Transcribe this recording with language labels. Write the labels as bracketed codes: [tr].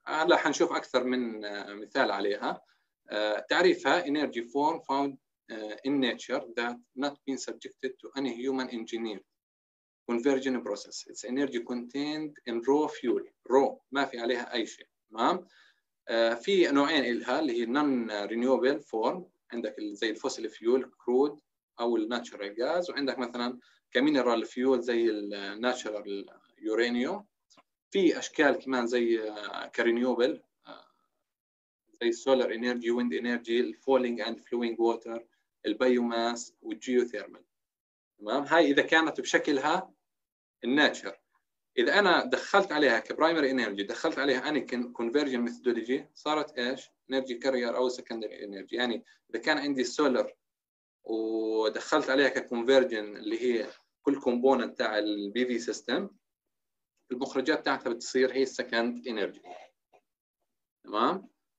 [ar] هلا حنشوف اكثر من مثال عليها. [en] تعريفها energy form found in nature that not been subjected to any human engineer conversion process. It's energy contained in raw fuel. [ar] Raw ما في عليها أي شيء. تمام. في نوعين إلها اللي هي non-renewable form، عندك زي الفوسيل فيول كرود أو الناتشرال غاز، وعندك مثلا كمينرال فيول زي الناتشرال يورانيوم. في أشكال كمان زي كرينيوبل زي [en] solar energy, wind energy, falling and flowing water, biomass والgeothermal. [ar] تمام. هاي إذا كانت بشكلها natural. إذا أنا دخلت عليها كprimary energy، دخلت عليها أني [en] conversion methodology، [ar] صارت إيش؟ energy carrier أو secondary energy. يعني إذا كان عندي solar ودخلت عليها كconversion اللي هي كل component تاع البي في system، المخرجات تاعتها بتصير هي second energy. تمام.